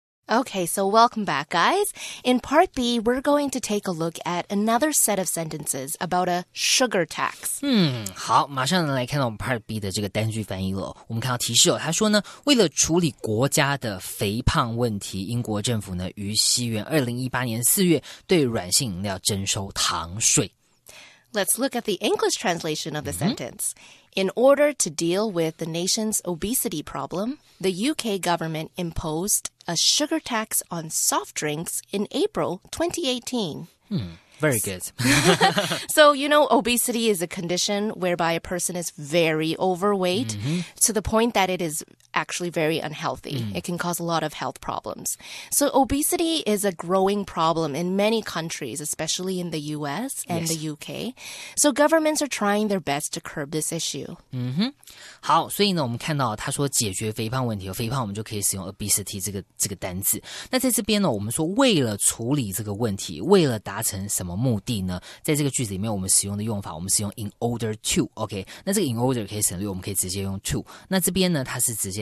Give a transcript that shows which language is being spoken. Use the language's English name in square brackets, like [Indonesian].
[English] Okay, so welcome back, guys. In part B, we're going to take a look at another set of sentences about a sugar tax. [Chinese] 好，马上来看到我们 part B 的这个单句翻译了。我们看到提示哦，他说呢，为了处理国家的肥胖问题，英国政府呢于西元2018年4月对软性饮料征收糖税。 [English] Let's look at the English translation of the sentence. In order to deal with the nation's obesity problem, the UK government imposed a sugar tax on soft drinks in April 2018. Very good. So, you know, obesity is a condition whereby a person is very overweight to the point that it is actually very unhealthy. It can cause a lot of health problems. So obesity is a growing problem in many countries, especially in the US and the UK. So governments are trying their best to curb this issue. [Chinese] 好，所以呢我们看到他说解决肥胖问题，肥胖我们就可以使用 obesity 这个单字。那在这边呢我们说为了处理这个问题，为了达成什么目的呢，在这个句子里面我们使用的用法，我们使用 in order to, OK, 那这个 in order 可以省略，我们可以直接用 to, 那这边呢它是直接